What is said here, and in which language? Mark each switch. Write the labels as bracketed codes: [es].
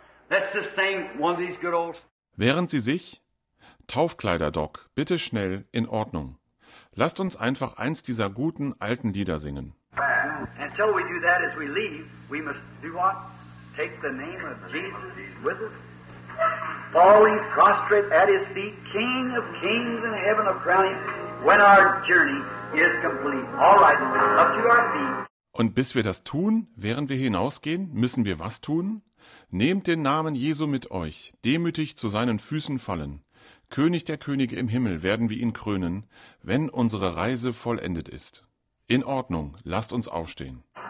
[en] Let's just sing one of these good olds. [de] Während sie sich... Taufkleider, Doc, bitte schnell, in Ordnung. Lasst uns einfach eins dieser guten, alten Lieder singen. [en] And so we do that as we leave. We must do what? Take the name of Jesus with us. Falling prostrate at his feet, King of kings and heaven of crowning, when our journey is complete. All right, up to our feet. [de] Und bis wir das tun, während wir hinausgehen, müssen wir was tun? Nehmt den Namen Jesu mit euch, demütig zu seinen Füßen fallen. König der Könige im Himmel werden wir ihn krönen, wenn unsere Reise vollendet ist. In Ordnung, lasst uns aufstehen.